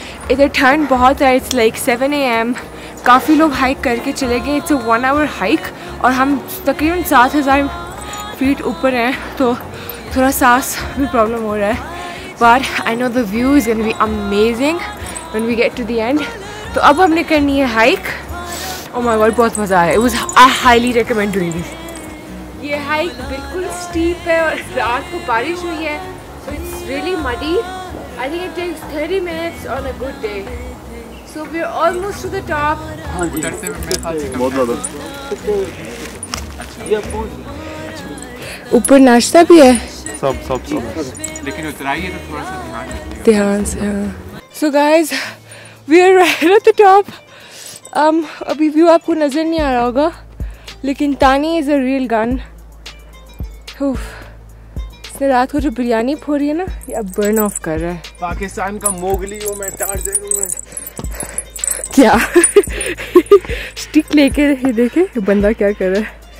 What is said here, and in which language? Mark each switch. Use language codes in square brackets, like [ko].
[hi] इधर ठंड बहुत है, [en] it's like [hi] 7 AM, काफ़ी लोग हाइक करके चले गए, [en] it's a 1 hour hike [hi] और हम तकरीबन 7000 फीट ऊपर हैं, तो थोड़ा सांस भी प्रॉब्लम हो रहा है। [en] But I know the view is going to be amazing when we get to the end. [hi] तो अब हमने करनी है हाइक। [en] Oh my god, [hi] बहुत मज़ा आया। [en] It was, I highly recommend doing this. [hi] ये हाइक बिल्कुल स्टीप है और रात को बारिश हुई है, [en] so it's really muddy. I think it takes 30 minutes on a good day. So we're almost to the top. [hi] हाँ जी। उतरते में बहुत ज़्यादा। ऊपर नाश्ता भी है। सब। लेकिन उतराई है तो थोड़ा सा ध्यान से। [en] So guys, we are right at the top. [hi] अभी व्यू आपको नज़र नहीं आ रहा होगा लेकिन तानी [en] Is a real gun. [hi] इसने रात को जो बिरयानी फोड़ी है ना, ये अब [en] burn off [hi] कर रहा है। पाकिस्तान का मोगली हूँ मैं, टारजन हूँ मैं। क्या स्टिक लेके ये देखे बंदा क्या कर रहा है।